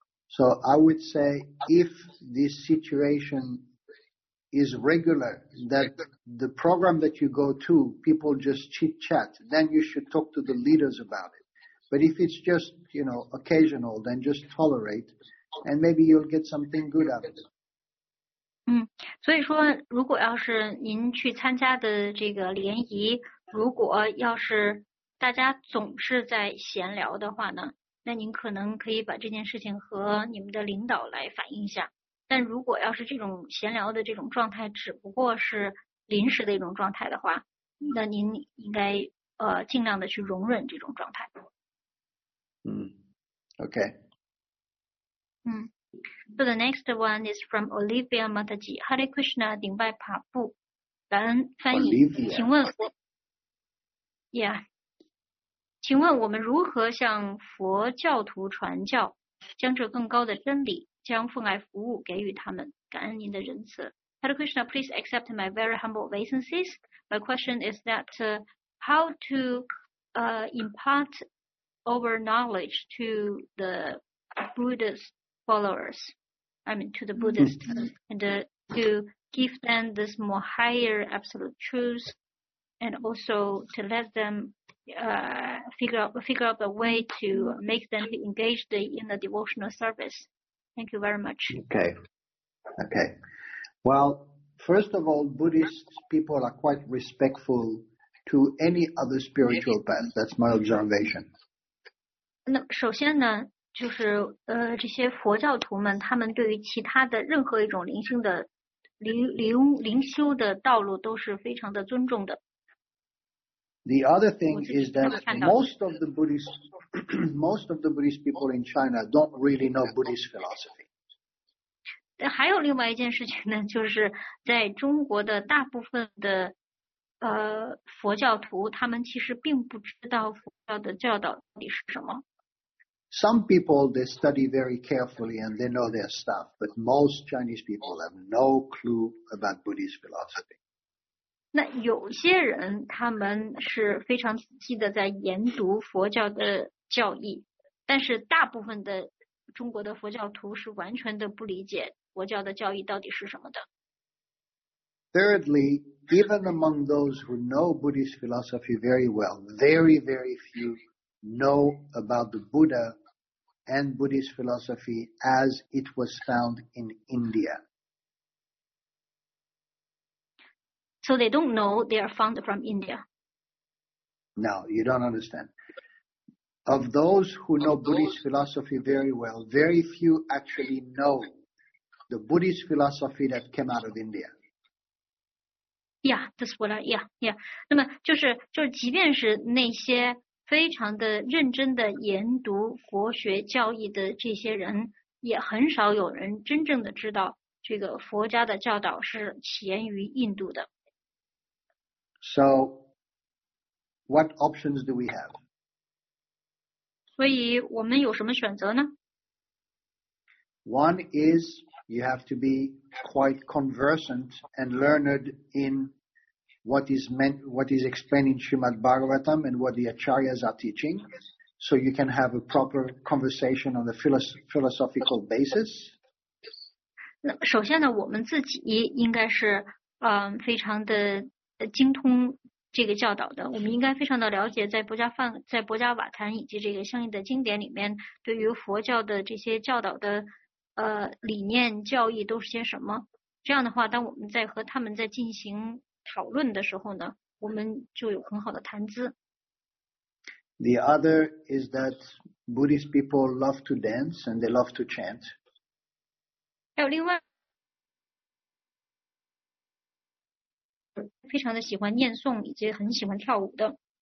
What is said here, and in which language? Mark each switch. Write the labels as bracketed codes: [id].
[en] So I would say if this situation is regular, that the program that you go to, people just chit-chat, then you should talk to the leaders about it. But if it's just, you know, occasional, then just tolerate, and maybe you'll get something good out of it. [zh] 嗯，所以说如果要是您去参加的这个联谊，如果要是大家总是在闲聊的话呢，那您可能可以把这件事情和你们的领导来反映一下。但如果要是这种闲聊的这种状态只不过是临时的一种状态的话，那您应该尽量的去容忍这种状态。嗯 ，OK。 [en] 嗯 ，So the next one is from Olivia Mataji. Hare Krishna, Dingbai Prabhu. [zh] 感恩翻译， [en] Olivia. [zh] 请问我 ，Yeah。请问我们如何向佛教徒传教，将这更高的真理，将父爱服务给予他们？感恩您的仁慈。 [en] Hare Krishna, please accept my very humble obeisances. My question is that how to impart our knowledge to the Buddhist followers, I mean to the Buddhist, and to give them this more higher absolute truth, and also to let them figure out a way to make them engage in the devotional service. Thank you very much. Okay. Well, first of all, Buddhist people are quite respectful to any other spiritual path. That's my observation. [zh] 那首先呢，就是这些佛教徒们，他们对于其他的任何一种灵修的道路都是非常的尊重的。 [en] The other thing is that most of the Buddhist people in China don't really know Buddhist philosophy. [zh] 还有另外一件事情呢，就是在中国的大部分的佛教徒，他们其实并不知道佛教的教导到底是什么。 [en] Some people they study very carefully and they know their stuff, but most Chinese people have no clue about Buddhist philosophy. [zh] 那有些人他们是非常仔细的在研读佛教的教义，但是大部分的中国的佛教徒是完全的不理解佛教的教义到底是什么的。 [en] Thirdly, even among those who know Buddhist philosophy very well, very, very few know about the Buddha and Buddhist philosophy as it was found in India. So they don't know they are found from India. No, you don't understand. Of those who know Buddhist philosophy very well, very few actually know the Buddhist philosophy that came out of India. Yeah, that's what I, yeah, yeah. [zh] 那么就是即便是那些非常的认真的研读佛学教义的这些人，也很少有人真正的知道这个佛家的教导是起源于印度的。 [en] So, what options do we have? [zh] 所以我们有什么选择呢？ [en] One is you have to be quite conversant and learned in what is explained in Srimad Bhagavatam and what the Acharyas are teaching, so you can have a proper conversation on the philosophical basis. [zh] 首先呢，我们自己应该是非常的精通这个教导的，我们应该非常的了解在博迦瓦坛以及这个相应的经典里面对于佛教的这些教导的理念教义都是些什么。这样的话，当我们在和他们在进行讨论的时候呢，我们就有很好的谈资。 [en] The other is that Buddhist people love to dance and they love to chant. [zh] 还有另外非常的喜欢念诵以及很喜欢跳舞的。